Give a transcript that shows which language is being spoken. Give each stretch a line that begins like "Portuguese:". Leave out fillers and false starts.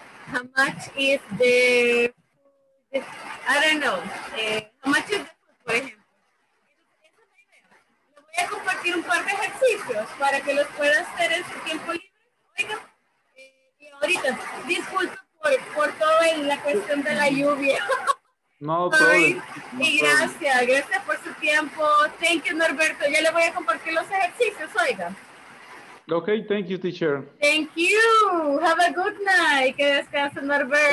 English: How much is the, I don't know, how much is the food,
Spanish: por ejemplo. Les voy a compartir un par de ejercicios para que los pueda hacer en su tiempo libre. Oiga, y ahorita, disculpa por toda la cuestión de la lluvia.
English: No, sorry.
Spanish: Y gracias, gracias por su tiempo.
English: Thank you,
Spanish: Norberto. Ya le voy a compartir los ejercicios, oiga.
English: Okay, thank you, teacher. Thank you. Have a good night.
Spanish: Que descanse,
English: Norbert.